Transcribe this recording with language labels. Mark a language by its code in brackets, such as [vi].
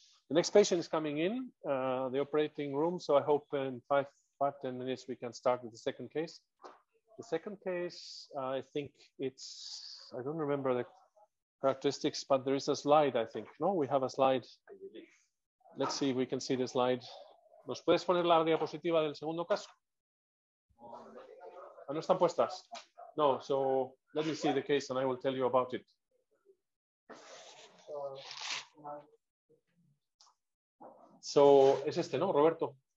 [en] The next patient is coming in the operating room. So I hope in 5-10 minutes we can start with the second case. The second case, I think it's, I don't remember the characteristics, but there is a slide, I think. No, we have a slide. Let's see if we can see the slide. [es] ¿Nos puedes poner la diapositiva del segundo caso? ¿No están puestas? [en] No, so let me see the case and I will tell you about it. [es] So, es este, ¿no, Roberto?